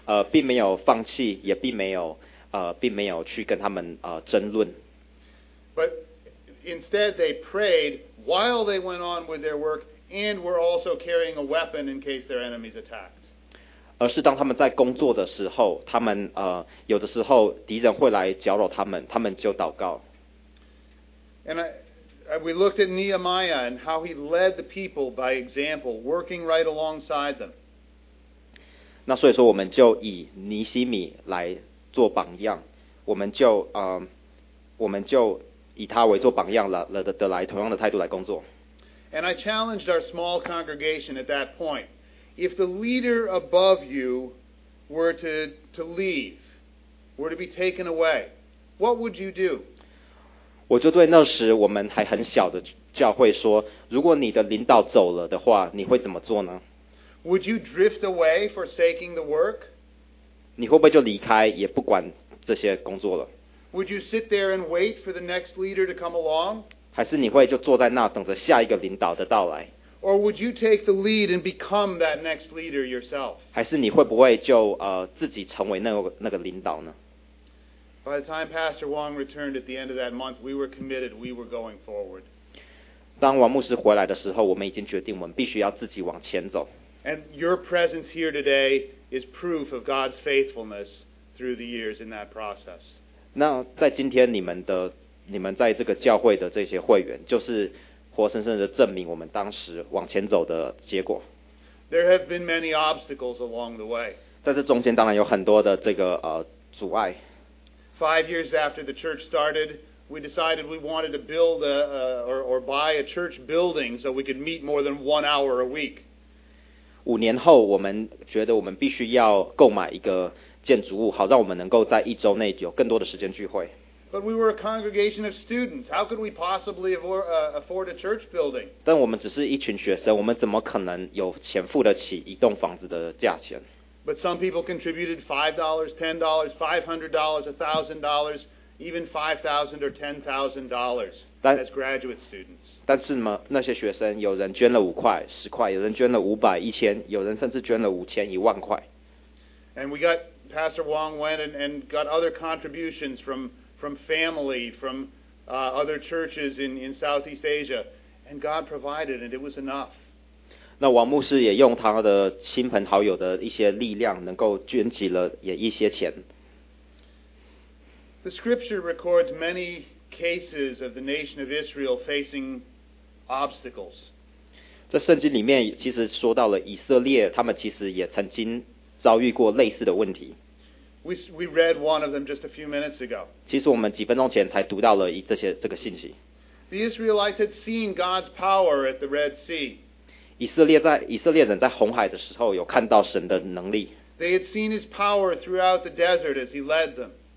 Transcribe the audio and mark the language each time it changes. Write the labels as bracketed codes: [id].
[zh] 并没有放弃，也并没有并没有去跟他们争论。 [en] But instead, they prayed while they went on with their work, and were also carrying a weapon in case their enemies attacked. [zh] 而是当他们在工作的时候，他们有的时候敌人会来搅扰他们，他们就祷告。 [en] And we looked at Nehemiah and how he led the people by example, working right alongside them. [zh] 那所以说，我们就以尼希米来做榜样，我们就以他为做榜样了来同样的态度来工作。 [en] And I challenged our small congregation at that point. If the leader above you were to leave, were to be taken away, what would you do? [zh] 我就对那时我们还很小的教会说，如果你的领导走了的话，你会怎么做呢？ [en] Would you drift away, forsaking the work? [zh] 你会不会就离开，也不管这些工作了？ [en] Would you sit there and wait for the next leader to come along? [zh] 还是你会就坐在那等着下一个领导的到来？ [en] Or would you take the lead and become that next leader yourself? [zh] 还是你会不会就自己成为那个领导呢？ [en] By the time Pastor Wong returned at the end of that month, we were committed. We were going forward. [zh] 当王牧师回来的时候，我们已经决定我们必须要自己往前走。 [en] And your presence here today is proof of God's faithfulness through the years in that process. [zh] 那在今天你们在这个教会的这些会员，就是。活生生的证明我们当时往前走的结果。 [en] There have been many obstacles along the way. [zh] 在这中间当然有很多的这个阻碍。 [en] Five years after the church started, we decided we wanted to build or buy a church building so we could meet more than 1 hour a week. [zh] 五年后，我们觉得我们必须要购买一个建筑物，好让我们能够在一周内有更多的时间聚会。 [en] But we were a congregation of students. How could we possibly afford a church building? [zh] 但我们只是一群学生，我们怎么可能有钱付得起一栋房子的价钱？ [en] But some people contributed $5, $10, $500, $1,000, even $5,000 or $10,000 as graduate students. [zh] 但是嘛，那些学生有人捐了五块、十块，有人捐了五百、一千，有人甚至捐了五千、一万块。 [en] And we got Pastor Wong went and got other contributions from family, from other churches in Southeast Asia, and God provided, and it was enough. [zh] 那王牧师也用他的亲朋好友的一些力量，能够捐集了也一些钱。 [en] The scripture records many cases of the nation of Israel facing obstacles. [zh] 在圣经里面其实说到了以色列，他们其实也曾经遭遇过类似的问题。 [en] We read one of them just a few minutes ago. [zh] 其实我们几分钟前才读到了这个信息。 [en] The Israelites had seen God's power at the Red Sea. [zh] 以色列人在红海的时候有看到神的能力。 [en] They had seen His power throughout the desert as He led them.